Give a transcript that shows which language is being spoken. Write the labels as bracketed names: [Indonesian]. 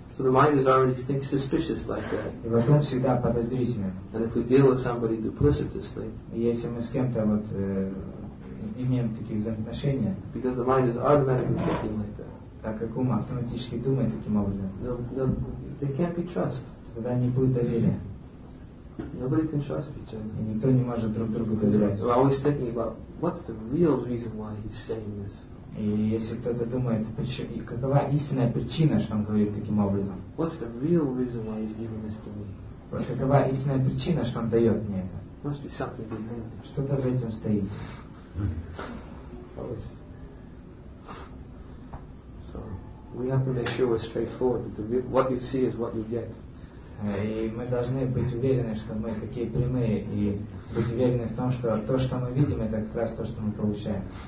[English] So the mind is already thinks suspicious like that. [Russian] И потом всегда подозрительно. [English] And if we deal with somebody duplicitously, [Russian] если мы с кем-то вот имеем такие взаимоотношения, [English] because the mind is automatically thinking like that, [Russian] так как ум автоматически думает таким образом, [English] they can't be trusted. [Russian] Тогда не будет доверия. [English] Nobody can trust each other. [Russian] И никто не может друг другу доверять. [English] So I'm always thinking about what's the real reason why he's saying this. [Russian] И если кто-то думает, какова истинная причина, что он говорит таким образом? [English] What's the real reason why he's giving this to me? [Russian] Какова истинная причина, что он дает мне это? [English] Must be something behind it. [Russian] Что-то за этим стоит. [English] Always. So we have to make sure we're straightforward. That what you see is what you get. [Russian] И мы должны быть уверены, что мы такие прямые, и быть уверены в том, что то, что мы видим, это как раз то, что мы получаем.